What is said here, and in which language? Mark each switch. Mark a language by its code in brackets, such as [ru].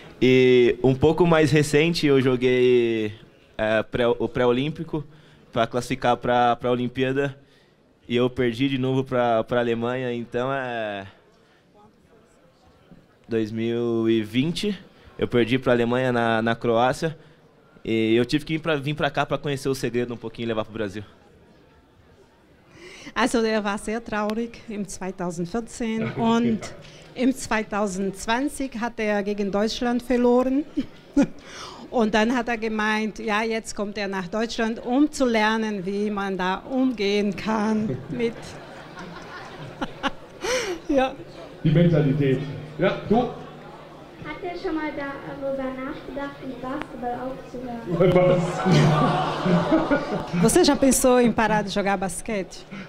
[pt] E pouco mais recente eu joguei o pré-olímpico para classificar para a Olimpíada e eu perdi de novo para a Alemanha, então é 2020, eu perdi para a Alemanha na Croácia e eu tive que vir para cá para conhecer o segredo um pouquinho e levar para o Brasil. [de] Also, er war sehr traurig im 2014 und im 2020 hat er gegen Deutschland verloren. Und dann hat er gemeint, ja, jetzt kommt er nach Deutschland, um zu lernen, wie man da umgehen kann mit. Ja. Die Mentalität. Ja, du? Hat er schon mal darüber nachgedacht, mit Basketball aufzuhören? Was? [pt] Você já pensou em parar de jogar basquete?